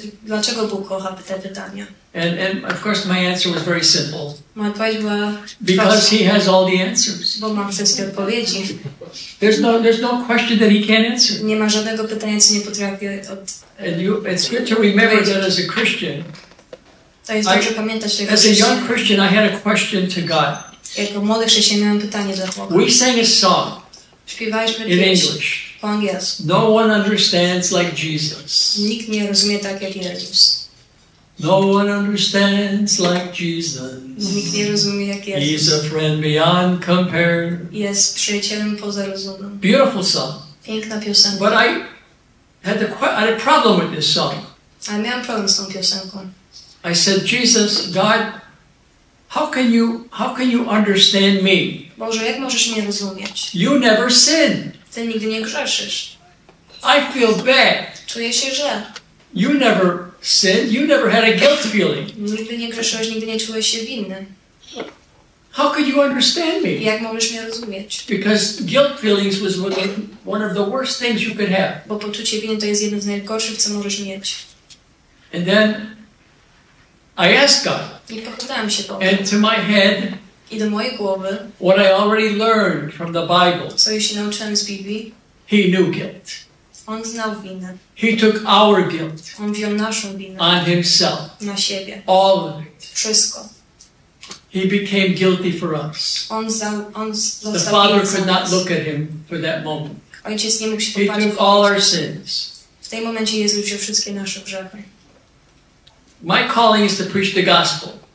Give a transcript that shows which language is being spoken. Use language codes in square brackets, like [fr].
[pl] Dlaczego Bóg kocha te pytania? [en] And of course my answer was very simple. [pl] Moja odpowiedź była [en] because he has all the answers. [pl] Bo ma wszystkie odpowiedzi. [en] There's no question that he can't answer. [pl] Nie ma żadnego pytania, co nie potrafi od. [en] And it's good to remember that as a Christian. [pl] To jest dobrze pamiętać, że [en] as a young Christian, I had a question to God. [pl] Jako młody chrześcijanin miałem pytanie do Boga. [en] We sang a song. [pl] Śpiewaliśmy [en] in English. [pl] Po angielsku. [en] No one understands like Jesus. [pl] Nikt nie rozumie tak jak Jezus. [en] No one understands like Jesus. [pl] Nikt nie rozumie jak Jezus. [en] He's a friend beyond compare. [pl] Jest przyjacielem poza rozumem. [en] Beautiful song. [pl] Piękna piosenka. [en] But I had a problem with this song. [pl] Ale miałem problem z tą piosenką. [en] I said, Jesus, God, how can you understand me? [pl] Boże, jak możesz mnie rozumieć? [en] You never sin. [pl] Ty nigdy nie grzeszysz. [en] I feel bad. [pl] Czuję się źle. [en] You never sin. You never had a guilt feeling. [pl] Nigdy nie grzeszyłeś, nigdy nie czułeś się winny. [en] How could you understand me? [pl] Jak możesz mnie rozumieć? [en] Because guilt feelings was one of the worst things you could have. [pl] Bo poczucie winy to jest jedno z najgorszych, co możesz mieć. [en] And then I asked God. [pl] I pytałem się Boga. [en] And to my head. [pl] I do mojej głowy. [en] What I already learned from the Bible. [pl] Co już się nauczyłem z Biblii. [en] He knew guilt. [pl] On znał winę. [en] He took our guilt. [pl] On wziął naszą winę. [en] On himself. [pl] Na siebie. [en] All of it. [pl] Wszystko. [en] He became guilty for us. The Father could not look at him for that moment. [pl] Ojciec nie mógł się [en] popatrzeć. He took all our sins. [pl] W tej momencie Jezus wziął wszystkie nasze grzechy. [en] My calling is to preach the gospel.